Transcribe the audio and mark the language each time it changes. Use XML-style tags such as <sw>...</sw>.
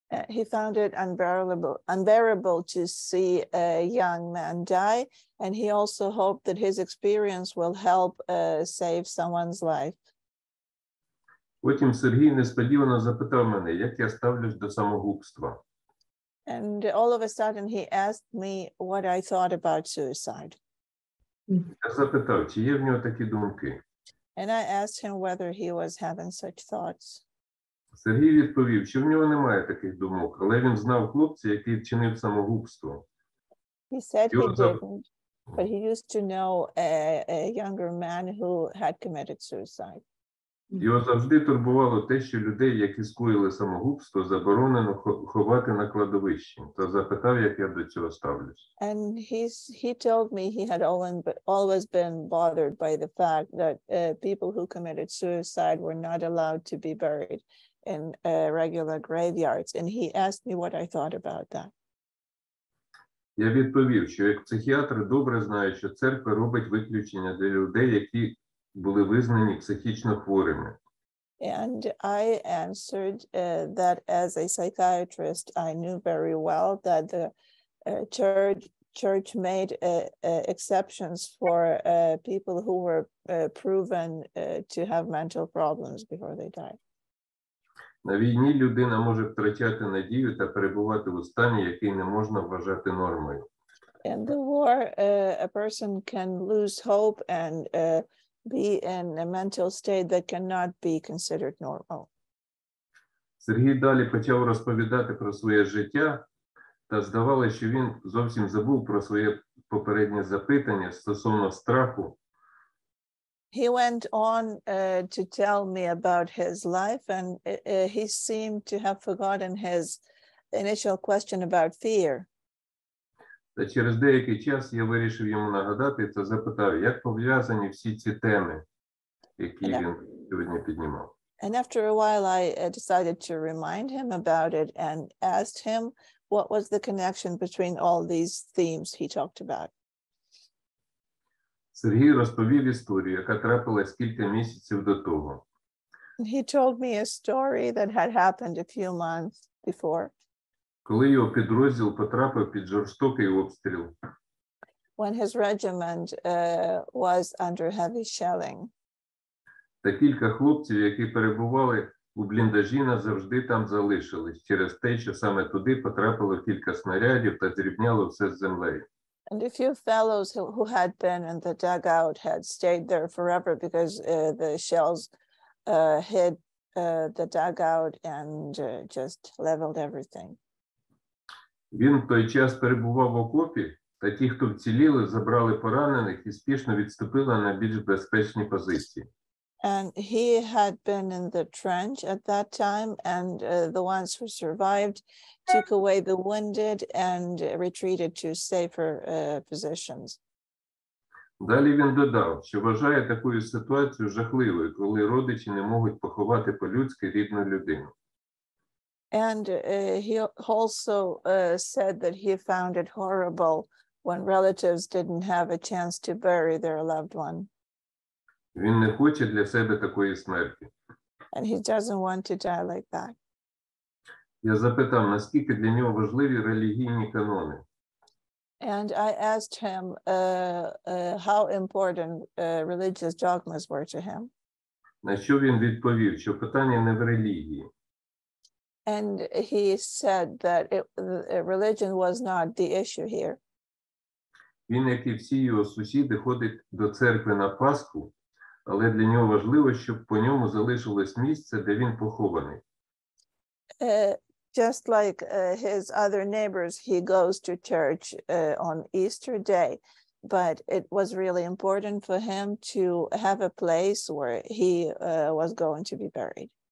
<en>He found it unbearable to see a young man die, and he also hoped that his experience will help save someone's life.</en> <uk>Потім Сергій несподівано запитав мене, як я ставлюсь до самогубства.</uk> <en>And all of a sudden he asked me what I thought about suicide.</en> <uk>Я запитав, чи є в нього такі думки.</uk> <en>And I asked him whether he was having such thoughts.</en> <uk>Сергій відповів, що в нього немає таких думок, але він знав хлопця, який вчинив самогубство.</uk> <en>He said he didn't, but he used to know a younger man who had committed suicide.</en> <uk>Його завжди турбувало те, що людей, які скоїли самогубство, заборонено ховати на кладовищі. Та запитав, як я до цього ставлюсь.</uk> <en>And he told me he had always been bothered by the fact that people who committed suicide were not allowed to be buried in regular graveyards. And he asked me what I thought about that.</en> <uk>Я відповів, що як психіатр добре знаю, що церква робить виключення для людей, які були визнані психічно хворими.</uk> <en>And I answered that as a psychiatrist, I knew very well that the church made exceptions for people who were proven to have mental problems before they died.</en> <uk>На війні людина може втрачати надію та перебувати у стані, який не можна вважати нормою.</uk> <en>In the war, a person can lose hope and be in a mental state that cannot be considered normal.</en> <uk>Сергій далі почав розповідати про своє життя, та здавалося, що він зовсім забув про своє попереднє запитання стосовно страху.</uk> <en>He went on to tell me about his life, and he seemed to have forgotten his initial question about fear.</en> <uk>Та через деякий час я вирішив йому нагадати та запитав, як пов'язані всі ці теми, які він сьогодні піднімав.</uk> <en>And after a while I decided to remind him about it and asked him what was the connection between all these themes he talked about.</en> <uk>Сергій розповів історію, яка трапилась кілька місяців до того.</uk> <en>He told me a story that had happened a few months before.</en> <uk>Коли його підрозділ потрапив під жорстокий обстріл.</uk> <en>When his regiment was under heavy shelling.</en> <uk>Та кілька хлопців, які перебували у бліндажі, назавжди там залишились через те, що саме туди потрапило кілька снарядів та зрівняло все з землею.</uk> <en>And a few fellows who had been in the dugout had stayed there forever because the shells hit the dugout and just leveled everything.</en> <uk>Він той час перебував в окопі, та ті, хто вціліли, забрали поранених і спішно відступили на більш безпечні позиції.</uk> <en>And he had been in the trench at that time, and the ones who survived took away the wounded and retreated to safer positions.</en> <uk>Далі він додав, що вважає таку ситуацію жахливою, коли родичі не можуть поховати по-людськи рідну людину.</uk> <en>And he also said that he found it horrible when relatives didn't have a chance to bury their loved one.</en> <uk>Він не хоче для себе такої смерті.</uk> <en>And he doesn't want to die like that.</en> <uk>Я запитав, наскільки для нього важливі релігійні канони.</uk> <en>And I asked him how important religious dogmas were to him.</en> <uk>На що він відповів, що питання не в релігії.</uk> <en>And he said that religion was not the issue here.</en> <uk>Він, як і всі його сусіди, ходить до церкви на Пасху, але для нього важливо, щоб по ньому залишилось місце, де він похований.</uk> <en>Just like his other neighbors, he goes to church on Easter Day, but it was really important for him to have a place where he was going to be buried.</en>